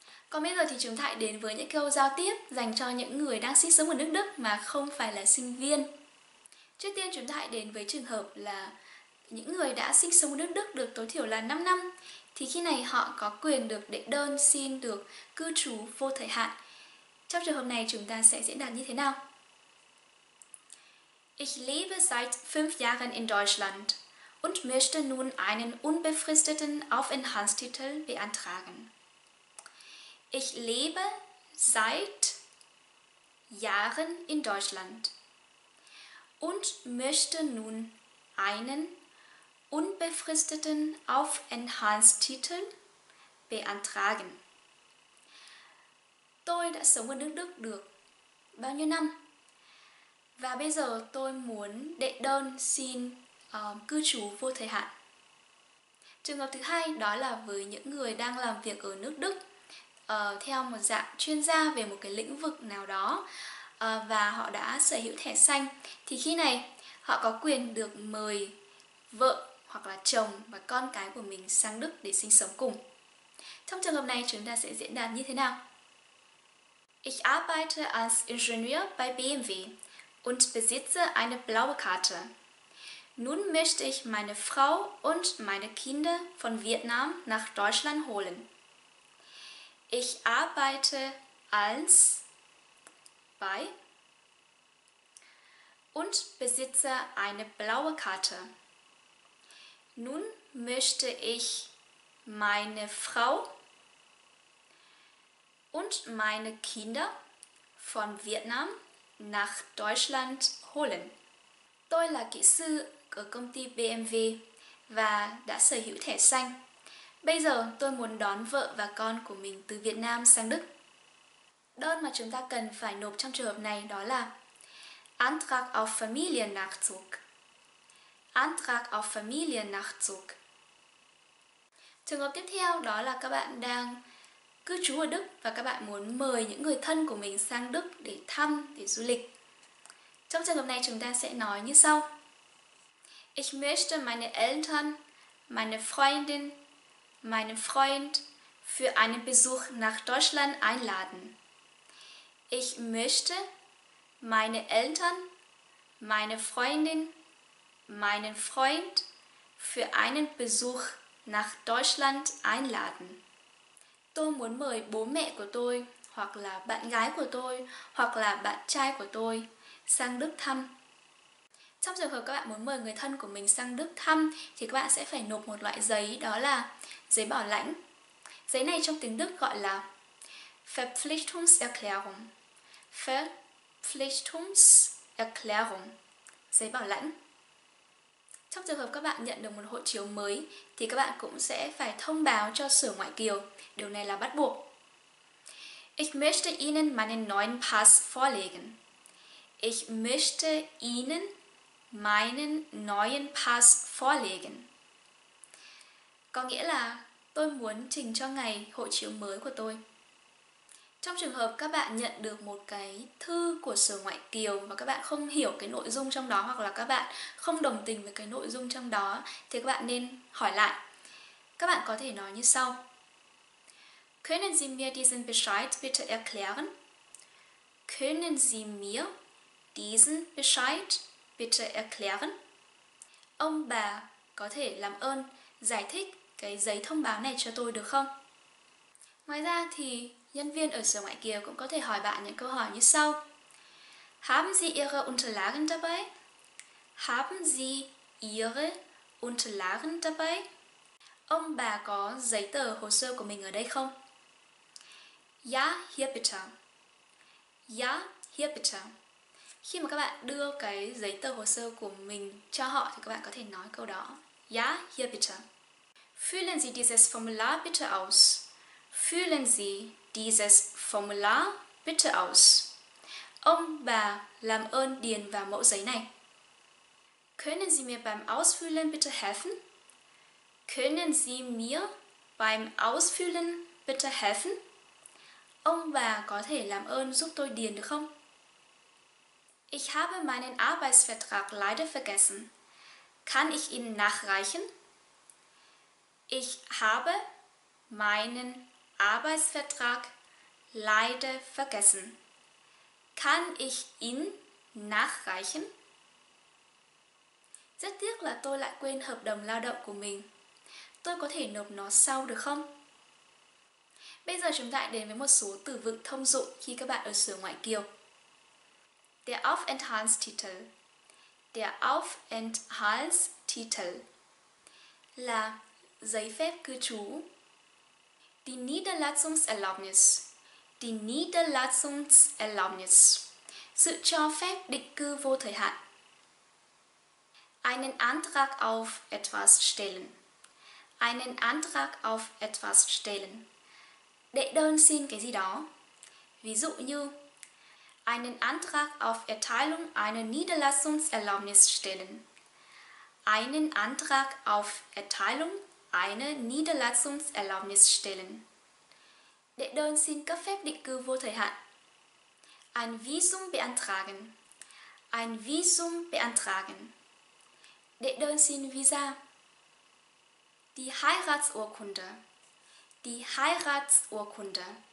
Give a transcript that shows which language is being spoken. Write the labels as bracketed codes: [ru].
[vi] Còn bây giờ thì chúng ta hãy đến với những câu giao tiếp dành cho những người đang sinh sống ở nước Đức mà không phải là sinh viên. Trước tiên chúng ta hãy đến với trường hợp là những người đã sinh sống ở nước Đức được tối thiểu là 5 năm thì khi này họ có quyền được đệ đơn xin được cư trú vô thời hạn. Trong trường hợp này chúng ta sẽ diễn đạt như thế nào? [de] Ich lebe seit 5 Jahren in Deutschland und möchte nun einen unbefristeten Aufenthaltstitel beantragen. Ich lebe seit Jahren in Deutschland und möchte nun einen unbefristeten Aufenthaltstitel beantragen. [vi] Tôi đã sống ở nước Đức được bao nhiêu năm? Và bây giờ tôi muốn đệ đơn xin cư trú vô thời hạn. Trường hợp thứ hai đó là với những người đang làm việc ở nước Đức theo một dạng chuyên gia về một cái lĩnh vực nào đó và họ đã sở hữu thẻ xanh thì khi này họ có quyền được mời vợ hoặc là chồng và con cái của mình sang Đức để sinh sống cùng. Trong trường hợp này chúng ta sẽ diễn đạt như thế nào? [de] Ich arbeite als Ingenieur bei BMW und besitze eine blaue Karte. Nun möchte ich meine Frau und meine Kinder von Vietnam nach Deutschland holen. Ich arbeite als bei und besitze eine blaue Karte. Nun möchte ich meine Frau und meine Kinder von Vietnam nach Deutschland holen. [vi] Tôi là kỹ sư ở công ty BMW và đã sở hữu thẻ xanh. Bây giờ tôi muốn đón vợ và con của mình từ Việt Nam sang Đức. Đơn mà chúng ta cần phải nộp trong trường hợp này đó là [de] Antrag auf Familiennachzug. Antrag auf Familiennachzug. [vi] Trường hợp tiếp theo đó là các bạn đang cư trú ở Đức và các bạn muốn mời những người thân của mình sang Đức để thăm, để du lịch. Trong trường hợp này chúng ta sẽ nói như sau. [de] Ich möchte meine Eltern, meine Freundin, meinen Freund für einen Besuch nach Deutschland einladen. Ich möchte meine Eltern, meine Freundin, meinen Freund für einen Besuch nach Deutschland einladen. [vi] Tôi muốn mời bố mẹ của tôi, hoặc là bạn gái của tôi, hoặc là bạn trai của tôi sang Đức thăm. Trong trường hợp các bạn muốn mời người thân của mình sang Đức thăm thì các bạn sẽ phải nộp một loại giấy, đó là giấy bảo lãnh. Giấy này trong tiếng Đức gọi là [de] Verpflichtungserklärung. Verpflichtungserklärung. [vi] Giấy bảo lãnh. Trong trường hợp các bạn nhận được một hộ chiếu mới thì các bạn cũng sẽ phải thông báo cho sở ngoại kiều. Điều này là bắt buộc. [de] Ich möchte Ihnen meinen neuen Pass vorlegen. Ich möchte Ihnen meinen neuen Pass vorlegen. [vi] Có nghĩa là tôi muốn trình cho ngài hộ chiếu mới của tôi. Trong trường hợp các bạn nhận được một cái thư của sở ngoại kiều và các bạn không hiểu cái nội dung trong đó hoặc là các bạn không đồng tình với cái nội dung trong đó thì các bạn nên hỏi lại. Các bạn có thể nói như sau. [de] Können Sie mir diesen Bescheid bitte erklären? Können Sie mir diesen Bescheid bitte erklären? [vi] Ông bà có thể làm ơn giải thích cái giấy thông báo này cho tôi được không? Ngoài ra thì nhân viên ở sở ngoại kiều cũng có thể hỏi bạn những câu hỏi như sau. [de] Haben Sie Ihre Unterlagen dabei? Haben Sie Ihre Unterlagen dabei? [vi] Ông bà có giấy tờ hồ sơ của mình ở đây không? [de] Ja, hier bitte. Ja, hier bitte. [vi] Khi mà các bạn đưa cái giấy tờ hồ sơ của mình cho họ thì các bạn có thể nói câu đó. [de] Ja, hier bitte. Füllen Sie dieses Formular bitte aus. Füllen Sie dieses Formular bitte aus. [vi] Ông bà làm ơn điền vào mẫu giấy này. [de] Können Sie mir beim Ausfüllen bitte helfen? Können Sie mir beim Ausfüllen bitte helfen? [vi] Ông bà có thể làm ơn giúp tôi điền được không? [de] Ich habe meinen Arbeitsvertrag leider vergessen. Kann ich ihn nachreichen? Ich habe meinen Arbeitsvertrag leider vergessen. Kann ich ihn nachreichen? [vi] Rất tiếc là tôi lại quên hợp đồng lao động của mình. Tôi có thể nộp nó sau được không? Bây giờ chúng ta đến với một số từ vựng thông dụng khi các bạn ở sở ngoại kiều. [de] Der Aufenthaltstitel. Der Aufenthaltstitel. [vi] Là giấy phép cư trú. [de] Die Niederlassungserlaubnis. Die Niederlassungserlaubnis. [vi] Sự cho phép định cư vô thời hạn. [de] Einen Antrag auf etwas stellen. Einen Antrag auf etwas stellen. [vi] Đệ đơn xin cái gì đó. Ví dụ như [de] einen Antrag auf Erteilung einer Niederlassungserlaubnis stellen. Einen Antrag auf Erteilung einer Niederlassungserlaubnis stellen. [vi] Đệ đơn xin cấp phép định cư vô thời hạn. [de] Ein Visum beantragen. Ein Visum beantragen. [vi] Đệ đơn xin visa. [de] Die Heiratsurkunde. Die Heiratsurkunde.